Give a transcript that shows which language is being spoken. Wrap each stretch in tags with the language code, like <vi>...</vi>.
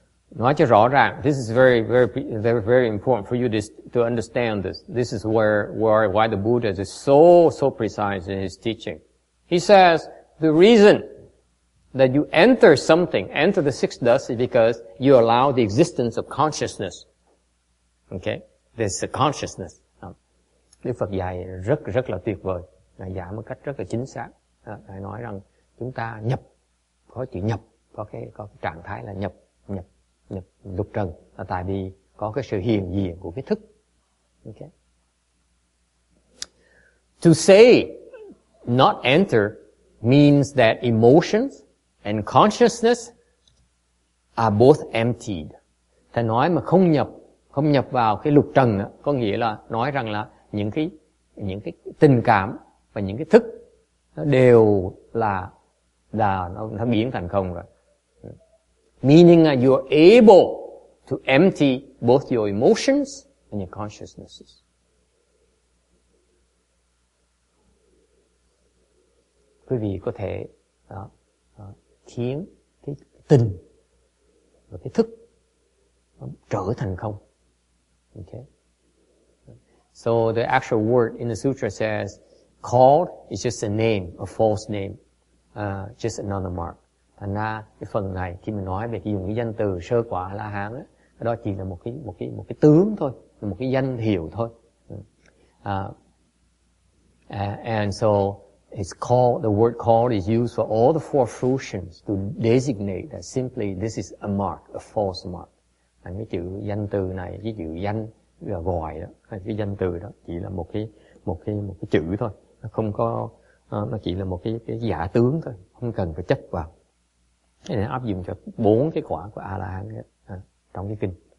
<vi>Nói cho rõ ràng,</vi> <en>this is very, very, very, very important for you to understand this. This is why the Buddha is so precise in his teaching. He says, the reason that you enter something, enter the six dust, is because you allow the existence of consciousness. Okay? This is a consciousness.</en> <vi>Đức Phật dạy rất, rất là tuyệt vời. Ngài dạy một cách rất là chính xác. Ngài nói rằng, chúng ta nhập, có chữ nhập, có cái trạng thái là nhập, nhập. Nhập lục trần là tại vì có cái sự hiện diện của cái thức. Okay.</vi> <en>To say not enter means that emotions and consciousness are both emptied.</en> <vi>Thầy nói mà không nhập vào cái lục trần đó, có nghĩa là nói rằng là những cái tình cảm và những cái thức nó đều là nó biến thành không rồi.</vi> <en>Meaning that you are able to empty both your emotions and your consciousnesses.</en> <vi>Quý vị có thể khiến cái tình và cái thức trở thành không. Okay.</vi> <en>So the actual word in the sutra says, called is just a name, a false name, just another mark.</en> <vi>Thành ra cái phần này khi mình nói về cái dùng cái danh từ sơ quả La Hán á, đó chỉ là một cái tướng thôi, một cái danh hiệu thôi.</vi> <en>And so it's called, the word called is used for all the four fruitions to designate that simply this is a mark, a false mark.</en> <vi>Thành cái chữ danh từ này, cái chữ danh gọi đó, cái danh từ đó chỉ là một cái chữ thôi, nó không có, nó chỉ là một cái giả tướng thôi, không cần phải chấp vào. Nên áp dụng cho bốn cái quả của A-la-hán trong cái kinh.</vi>